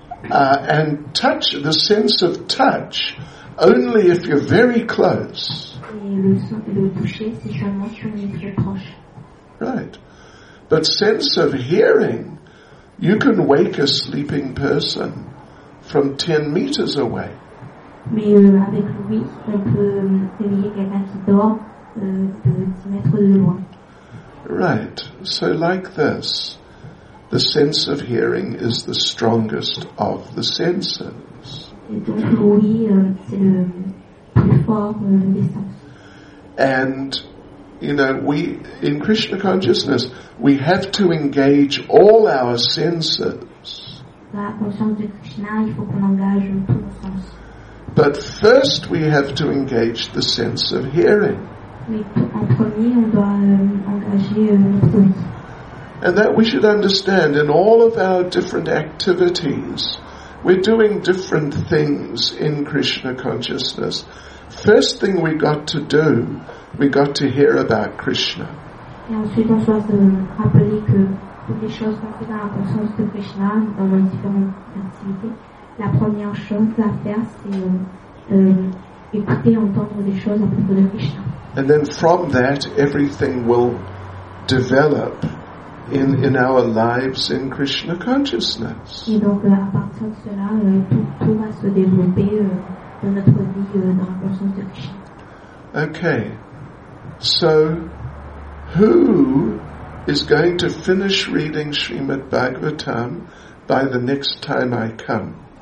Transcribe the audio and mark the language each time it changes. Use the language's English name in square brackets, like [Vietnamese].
[English] And touch, the sense of touch, only if you're very close. [French] Et le toucher, c'est seulement si on est très proche. [English] Right. But sense of hearing, you can wake a sleeping person from 10 meters away. [French] Mais avec lui, on peut réveiller quelqu'un qui dort de 10 mètres de loin. [English] Right. So like this, the sense of hearing is the strongest of the senses. [French] Et donc l'ouïe, c'est le plus fort des sens. [English] And you know, we in Krishna consciousness, we have to engage all our senses. [French] La conscience de Krishna, il faut qu'on engage tous nos sens. [English] But first, we have to engage the sense of hearing. [French] Mais en premier, on doit engager notre ouïe. [English] And that we should understand in all of our different activities, we're doing different things in Krishna consciousness. First thing we got to do. We got to hear about Krishna. [French] Et ensuite, on doit se rappeler que toutes les choses qu'on fait dans la conscience de Krishna, dans nos différentes activités, la première chose à faire, c'est écouter, entendre des choses à propos de Krishna. [English] And then from that, everything will develop in our lives in Krishna consciousness. [French] Et donc, à partir de cela, tout va se développer dans notre vie, dans la conscience de Krishna. [English] Okay. So, who is going to finish reading Srimad Bhagavatam by the next time I come?